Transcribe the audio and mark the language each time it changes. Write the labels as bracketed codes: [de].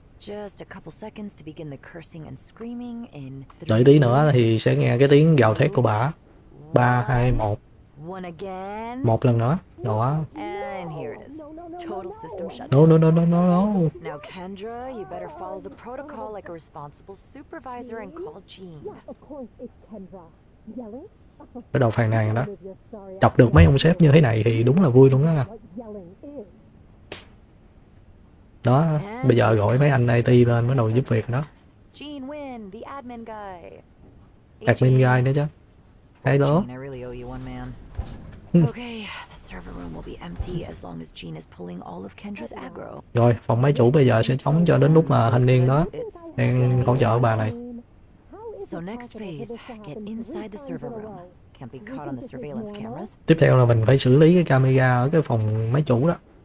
[en] Just a couple seconds to begin the cursing and screaming in 3, [vi] đợi tí nữa thì sẽ nghe cái tiếng gào thét của bà. 3, 2, 1. Một lần nữa. Đó. [en] And here it is. Total system shutdown. No. Now Kendra, you better follow the protocol like a responsible supervisor and call Jean. [vi] Bắt đầu phàn nàn rồi đó. Chọc được mấy ông sếp như thế này thì đúng là vui luôn á. Đó, bây giờ gọi mấy anh IT lên bắt đầu giúp việc đó. [en] Gene Wynn, the admin guy. Admin guy [vi] nữa chứ. [en] Hello. Gene, I really owe you one, man. Okay, the server room will be empty as long as Gene is pulling all of Kendra's aggro. [vi] Rồi, phòng máy chủ bây giờ sẽ trống cho đến lúc mà thanh niên đó đang hỗ trợ bà này. [en] So next phase, get inside the server room. Can't be caught on the surveillance cameras. [vi] Tiếp theo là mình phải xử lý cái camera ở cái phòng máy chủ đó.